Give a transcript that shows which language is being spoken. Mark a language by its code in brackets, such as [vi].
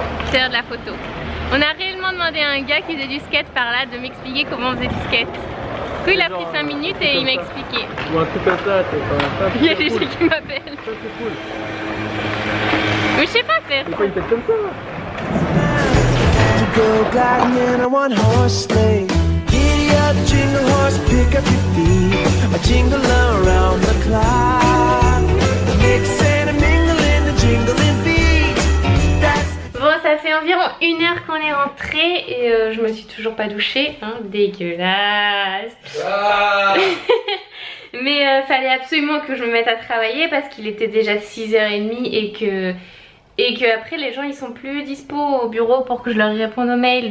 [fr] Faire de la photo. On a réellement demandé à un gars qui faisait du skate par là de m'expliquer comment on faisait du skate. Du coup, il a pris 5 minutes et il m'a expliqué. Bon, un truc comme ça, c'est pas mal. Il y a GG qui m'appelle. Ça, c'est cool. Mais je sais pas faire. Pourquoi il fait comme ça? [en] To go gliding in a one horse sleigh. Giddy up, jingle horse, pick up your feet. A jingle around the clock. Mix and a mingle in the jingle and beat. [fr] Bon, ça fait environ une heure qu'on est rentré et je me suis toujours pas douchée, hein, dégueulasse. Mais fallait absolument que je me mette à travailler parce qu'il était déjà 6h30 et que après les gens ils sont plus dispo au bureau pour que je leur réponde aux mails.